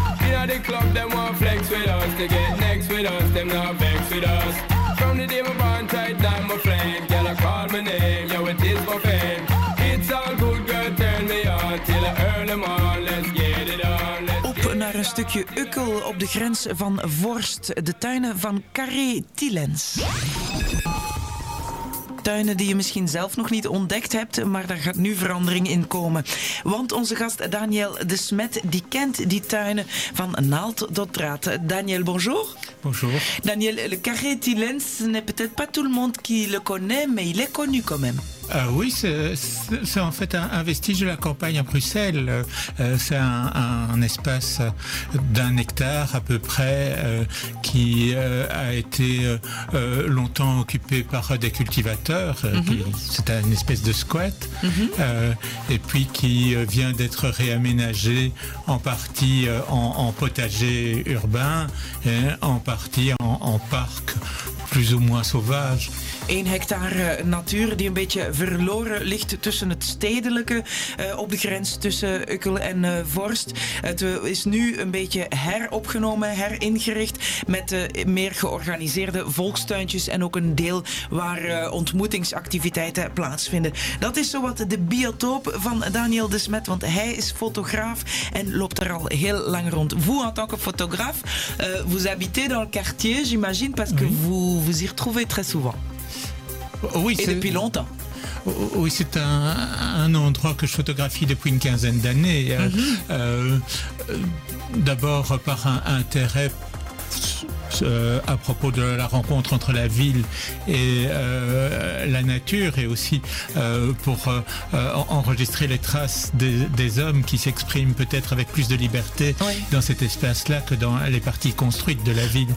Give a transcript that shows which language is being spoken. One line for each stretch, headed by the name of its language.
English: Inna the club, them want flex with us. To get next with us, them now vex with us. From the day my bond tight, like my flame. Girl, I call my name, yo, it is my fame. It's all good, girl, turn me on. Till I earn them on, let's get it on.
Dutch: Naar een stukje Ukkel op de grens van Vorst, de tuinen van Carré Tillens. Tuinen die je misschien zelf nog niet ontdekt hebt, maar daar gaat nu verandering in komen. Want onze gast Daniel de Smet, die kent die tuinen van naald tot draad. Daniel, bonjour.
French: Bonjour. Daniel, le Carré Tillens, ce n'est peut-être pas tout le monde qui le connaît, mais il est connu quand même. Oui, c'est en fait un vestige de la campagne à Bruxelles. C'est un espace d'un hectare à peu près qui a été longtemps occupé par des cultivateurs. Mm-hmm. C'est une espèce de squat. Mm-hmm. Et puis qui vient d'être réaménagé en partie en potager urbain et en partie en parc plus ou moins sauvage.
Dutch: 1 hectare natuur die een beetje verloren ligt tussen het stedelijke op de grens tussen Ukkel en Vorst. Het is nu een beetje heropgenomen, heringericht met meer georganiseerde volkstuintjes en ook een deel waar ontmoetingsactiviteiten plaatsvinden. Dat is zowat de biotoop van Daniel de Smet, want hij is fotograaf en loopt er al heel lang rond.
French: Vous, en tant que photographe, vous habitez dans le quartier, j'imagine, parce que vous y retrouvez très souvent. Oui, et depuis longtemps. Oui, c'est un endroit que je photographie depuis une quinzaine d'années. Mm-hmm. D'abord par un intérêt à propos de la rencontre entre la ville et la nature, et aussi pour enregistrer les traces des hommes qui s'expriment peut-être avec plus de liberté, oui, dans cet espace-là que dans les parties construites de la ville.